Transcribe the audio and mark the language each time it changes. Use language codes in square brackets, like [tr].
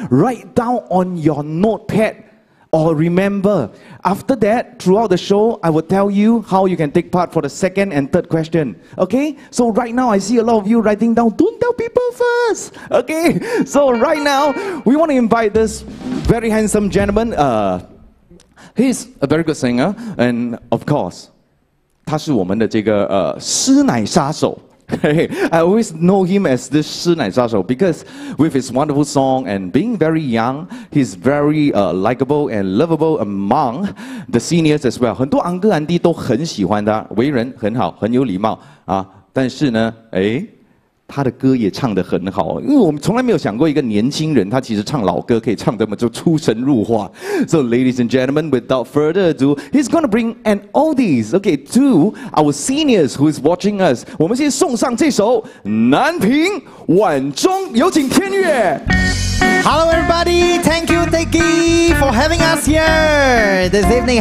[en] Write down on your notepad. Or remember, after that, throughout the show, I will tell you how you can take part for the second and third question. Okay? So right now, I see a lot of you writing down, don't tell people first! Okay? So right now, we want to invite this very handsome gentleman. He's a very good singer. And of course, [zh] 他是我们的这个施奶杀手。 [en] I always know him as this [zh] 施奶杀手 [en] because with his wonderful song and being very young, he's very likable and lovable among the seniors as well. [zh] 很多 uncle auntie 都很喜欢他, 为人很好, 很有礼貌, 但是呢, 他的歌也唱得很好, 因为我们从来没有想过一个年轻人, 他其实唱老歌可以唱这么就出神入化。 [en] So ladies and gentlemen, without further ado, he's going to bring an oldies, okay, to our seniors who is watching us. [zh] 我们先送上这首《南屏晚钟》，有请天乐。 [en] Hello everybody, thank you Teck Ghee for having us here this evening.